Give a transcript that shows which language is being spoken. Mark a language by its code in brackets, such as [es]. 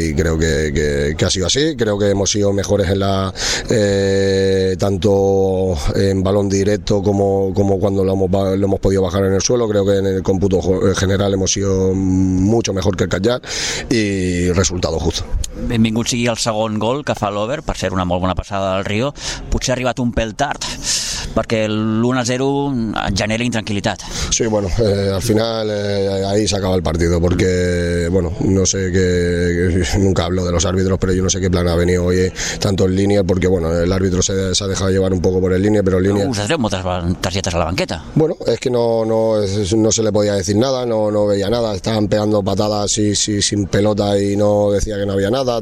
[es] Y creo que ha sido así. Creo que hemos sido mejores en la tanto en balón directo como cuando lo hemos podido bajar en el suelo. Creo que en el cómputo general hemos sido mucho mejor que el Callar, y resultado justo. [ca] Benvingut sigui el segon gol que fa l'Over, per ser una molt bona passada del Rio. Potser ha arribat un pèl tard, perquè l'1-0 genera intranquil·litat. [es] Sí, bueno, al final ahí se acaba el partido, porque bueno, no sé qué, nunca hablo de los árbitros, pero yo no sé qué plan ha venido hoy tanto en línea, porque bueno, el árbitro se ha dejado llevar un poco por el línea, pero en línea... [ca] ¿Us atreu moltes targetes a la banqueta? [es] Bueno, es que no se le podía decir nada, no veía nada, estaban pegando patadas y sin pelota, y no decía que no había nada.